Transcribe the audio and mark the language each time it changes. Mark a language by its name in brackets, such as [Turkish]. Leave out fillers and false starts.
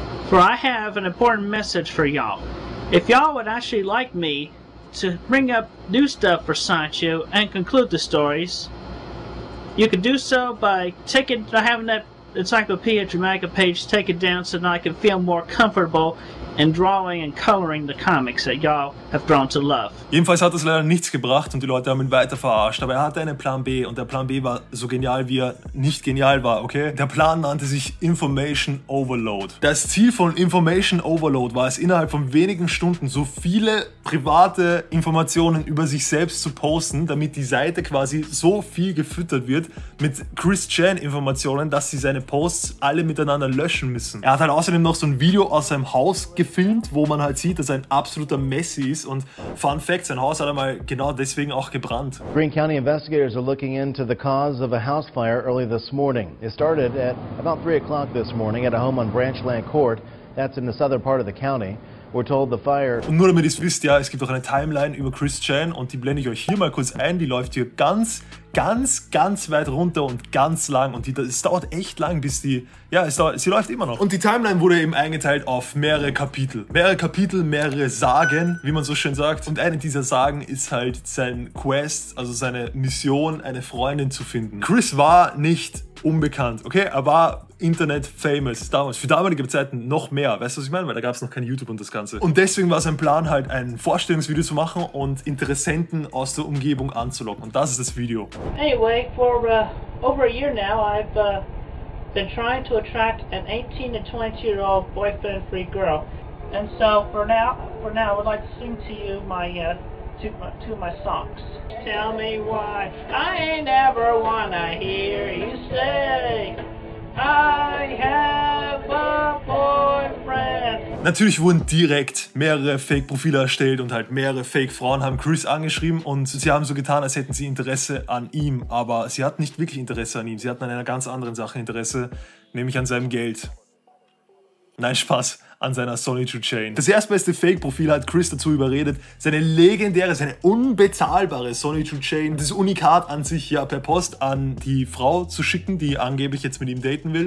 [English] For I have an important message for y'all. If y'all would actually like me to bring up new stuff for Sonichu and conclude the stories, you can do so by having that Encyclopedia Dramatica page taken down so that I can feel more comfortable and drawing and coloring the comics that y'all have grown to love. [German] Jedenfalls hat das leider nichts gebracht und die Leute haben ihn weiter verarscht, aber er hatte einen Plan B und der Plan B war so genial, wie er nicht genial war, okay? Der Plan nannte sich Information Overload. Das Ziel von Information Overload war es, innerhalb von wenigen Stunden so viele private Informationen über sich selbst zu posten, damit die Seite quasi so viel gefüttert wird mit Chris Chan Informationen, dass sie seine Posts alle miteinander löschen müssen. Er hat halt außerdem noch so ein Video aus seinem Haus gefilmt, wo man halt sieht, dass er ein absoluter Messi ist und Fun Fact, sein Haus hat er mal genau deswegen auch gebrannt. [English] Green County investigators are looking into the cause of a house fire early this morning. It started at about 3 o'clock this morning at a home on Branchland Court, that's in the southern part of the county. We're told the fire. [German] Und nur damit ihr es wisst, ja, es gibt auch eine Timeline über Chris Chan und die blende ich euch hier mal kurz ein. Die läuft hier ganz, ganz, ganz weit runter und ganz lang und es dauert echt lang, bis die, ja, sie läuft immer noch. Und die Timeline wurde eben eingeteilt auf mehrere Kapitel. Mehrere Kapitel, mehrere Sagen, wie man so schön sagt. Und eine dieser Sagen ist halt sein Quest, also seine Mission, eine Freundin zu finden. Chris war nicht unbekannt, okay? Er war Internet famous damals, für damalige Zeiten noch mehr, weißt du, was ich meine? Weil da gab es noch kein YouTube und das Ganze. Und deswegen war sein Plan halt, ein Vorstellungsvideo zu machen und Interessenten aus der Umgebung anzulocken. Und das ist das Video. [English] Anyway, for over a year now, I've been trying to attract an 18 to 20 year old boyfriend free girl. And so for now, I would like to sing to you two of my songs. Tell me why I ain't never wanna hear you say I have a boyfriend. [German] Natürlich wurden direkt mehrere Fake-Profile erstellt und halt mehrere Fake-Frauen haben Chris angeschrieben und sie haben so getan, als hätten sie Interesse an ihm, aber sie hatten nicht wirklich Interesse an ihm, sie hatten an einer ganz anderen Sache Interesse, nämlich an seinem Geld. Nein, Spaß, an seiner Sony True Chain. Das erstbeste Fake-Profil hat Chris dazu überredet, seine unbezahlbare Sony True Chain, das Unikat an sich ja per Post an die Frau zu schicken, die angeblich jetzt mit ihm daten will.